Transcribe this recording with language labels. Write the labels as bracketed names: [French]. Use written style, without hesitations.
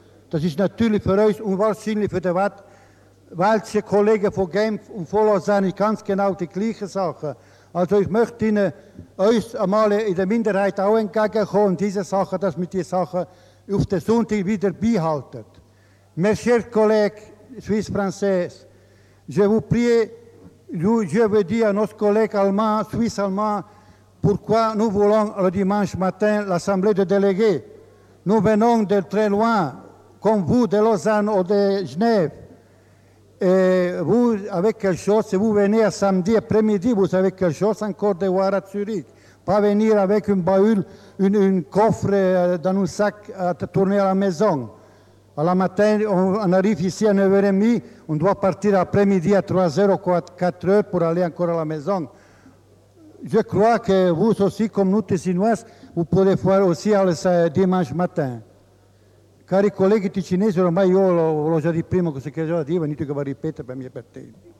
[German] Das ist natürlich für uns und wahrscheinlich für die welche Kollegen von Genf und von Lausanne ganz genau die gleiche Sache. Also ich möchte Ihnen uns einmal in der Minderheit auch entgegenkommen und diese Sache, dass wir diese Sache auf den Sonntag wieder beihaltet. [French] Mes chers collègues suisse-français, je vous prie, je veux dire à nos collègues allemands, suisse-allemands, pourquoi nous voulons le dimanche matin l'Assemblée des délégués. Nous venons de très loin, comme vous, de Lausanne ou de Genève. Et vous avez quelque chose, si vous venez à samedi après-midi, vous avez quelque chose encore de voir à Zurich. Pas venir avec une bahule, un coffre dans un sac à tourner à la maison. À la matin, on arrive ici à 9h30, on doit partir après-midi à 3h ou 4h pour aller encore à la maison. Je crois que vous aussi, comme nous, Ticinois, vous pouvez faire aussi le dimanche matin. [Italian] Cari colleghi ticinesi, ormai io l'ho già detto prima, cosa che già dico, venite che va a ripetere per me e per te.